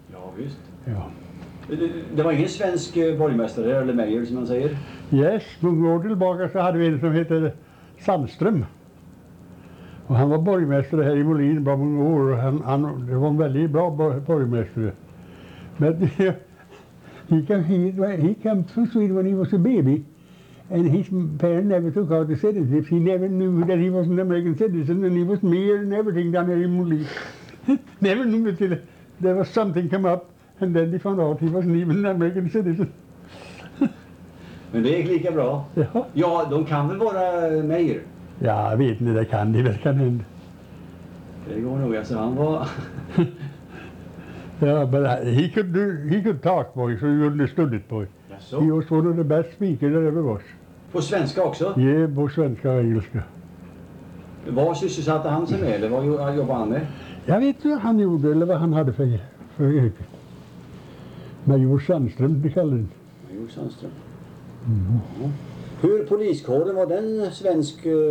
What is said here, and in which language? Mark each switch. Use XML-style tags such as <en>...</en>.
<sv>Ja, visst. Ja. Det var ingen svensk borgmästare eller mayor som man säger? Yes, många år tillbaka så hade vi en som heter Sandström. Och han var borgmästare här i Molin bara många år. Han det var en väldigt bra borgmästare.</sv> <en>Men he came to Sweden when he was a baby. And his parents never took out the citizenship. He never knew that he was an American citizen and he was mayor and everything down here in Molin. Never knew until there was something come up. And then they found out he wasn't even an American citizen.</en> <sv>Men det gick lika bra. Ja. Ja, de kan väl vara mayor? Ja, vet ni, det kan de väl, kan hända. Det går nog, alltså han var...</sv> <en>Ja, but he could talk, boy, so you understood it, boy. Yes, so. He was one of the best speakers there ever was.</en> <sv>På svenska också? Ja, yeah, på svenska och engelska. Vad sysselsatte han sig med, eller vad jobbade han med? Jag vet inte vad han gjorde, eller vad han hade för yrke. Major Sandström, det kallade han. Major Sandström. Mm. Ja. Hur poliskåren, var den svensk,</sv>